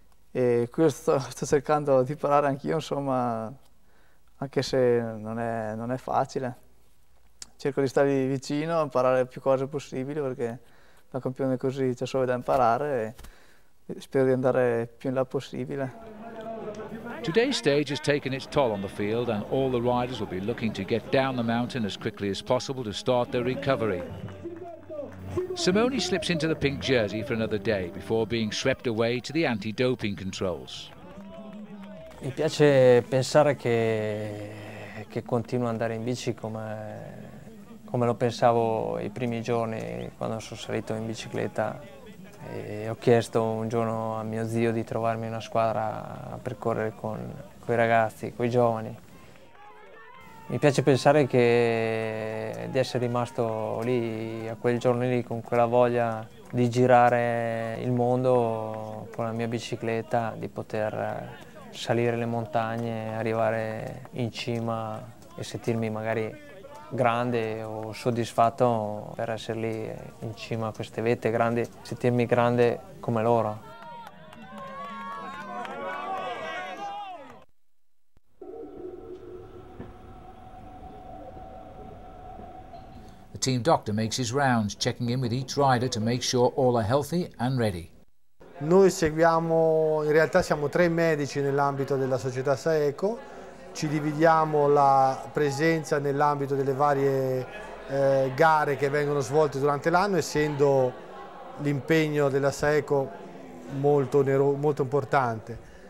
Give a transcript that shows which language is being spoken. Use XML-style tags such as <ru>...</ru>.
<it>E questo sto cercando di imparare anch'io, insomma, anche se non è facile. Cerco di stare vicino, imparare più cose possibili, perché da campione così c'è solo da imparare, e spero di andare più in là possibile.</it> <en>Today's stage has taken its toll on the field, and all the riders will be looking to get down the mountain as quickly as possible to start their recovery. Simone slips into the pink jersey for another day before being swept away to the anti-doping controls.</en> <it>Mi piace pensare che continuo ad andare in bici come lo pensavo i primi giorni quando sono salito in bicicletta, e ho chiesto un giorno a mio zio di trovarmi una squadra per correre con quei ragazzi, quei giovani. Mi piace pensare che di essere rimasto lì a quel giorno lì con quella voglia di girare il mondo con la mia bicicletta, di poter salire le montagne, arrivare in cima e sentirmi magari grande o soddisfatto per essere lì in cima a queste vette grandi, sentirmi grande come loro.</it> <en>The team doctor makes his rounds, checking in with each rider to make sure all are healthy and ready.</en> <it>Noi seguiamo, in realtà siamo tre medici nell'ambito della società Saeco. Ci dividiamo la presenza nell'ambito delle varie gare che vengono svolte durante l'anno, essendo l'impegno della Saeco molto, molto importante.</it>